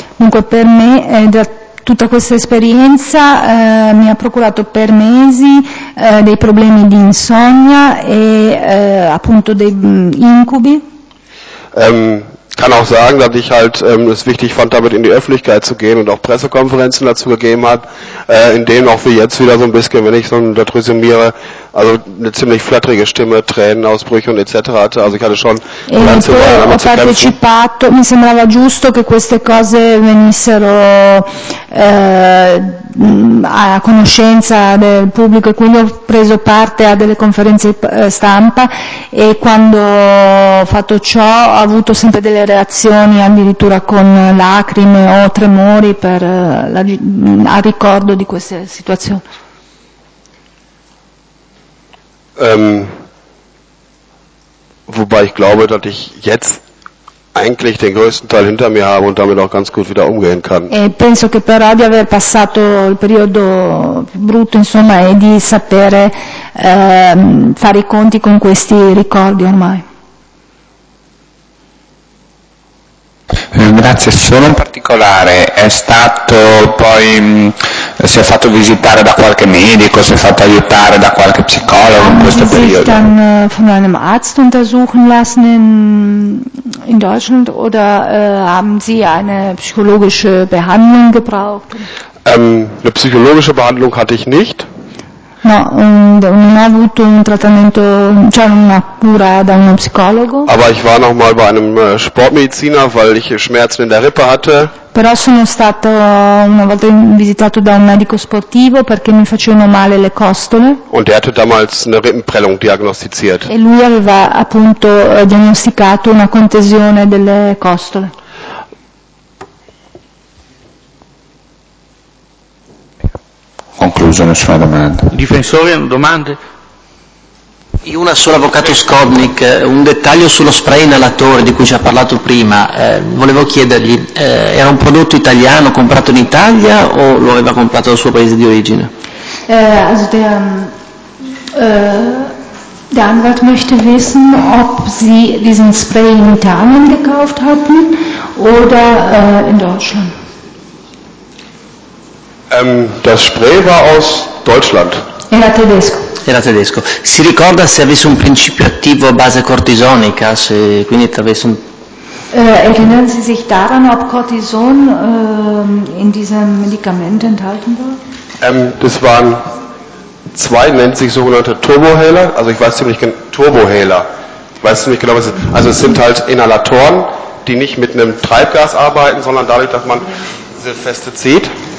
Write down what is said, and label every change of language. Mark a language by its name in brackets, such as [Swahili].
[Italian] Dunque per me è da tutta questa esperienza mi ha procurato per mesi dei problemi di insonnia e appunto dei incubi. [German] Kann auch sagen, dass ich halt es wichtig fand, damit in die Öffentlichkeit zu gehen und auch Pressekonferenzen dazu gegeben hat, in denen auch wie jetzt wieder so ein bisschen, wenn ich so das resümiere, also eine ziemlich flatterige Stimme, Tränenausbrüche und etc. hatte. Also ich hatte schon [Italian] partecipato, mi sembrava giusto che queste cose venissero a conoscenza del pubblico e quindi ho preso parte a delle conferenze stampa e quando ho fatto ciò ho avuto sempre delle reazioni addirittura con lacrime o tremori per a ricordo di queste situazioni. [German] Wobei ich glaube, dass ich jetzt eigentlich den größten Teil hinter mir habe und damit auch ganz gut wieder umgehen kann. [Italian] E penso che però di aver passato il periodo brutto, insomma, e di sapere fare i conti con questi ricordi ormai. Grazie, solo in particolare è stato poi si è fatto visitare da qualche medico, si è fatto aiutare da qualche psicologo in questo periodo. [German] Sich dann von einem Arzt untersuchen lassen in Deutschland oder haben Sie eine psychologische Behandlung gebraucht? Eine psychologische Behandlung hatte ich nicht. [Italian] No, non ha avuto un trattamento, cioè una cura da uno psicologo. [German] Aber ich war noch mal bei einem Sportmediziner, weil ich Schmerzen in der Rippe hatte. [Italian] Però sono stato una volta visitato da un medico sportivo perché mi facevano male le costole. [German] Und der hatte damals eine Rippenprellung diagnostiziert. [Italian] E lui aveva appunto diagnosticato una contusione delle costole. Concluso, nessuna domanda. Difensori hanno domande? Io una sola, avvocato Skodnik, un dettaglio sullo spray inalatore di cui ci ha parlato prima, volevo chiedergli, era un prodotto italiano comprato in Italia o lo aveva comprato dal suo paese di origine? [German] Also der, der Anwalt möchte wissen, ob Sie diesen Spray in Italien gekauft hatten oder in Deutschland. Das Spray war aus Deutschland. [Italian] Era tedesco. Era tedesco. Si ricorda se avesse un principio attivo a base cortisonica, se quindi attraverso un... [German] erinnern Sie sich daran, ob Cortison in diesem Medikament enthalten war? Das waren zwei, nennt sich sogenannte Turbohaler, also ich weiß ziemlich genau, Turbohaler. Ich weiß ziemlich genau, was es ist. Also es sind halt Inhalatoren, die nicht mit einem Treibgas arbeiten, sondern dadurch, dass man diese Feste zieht.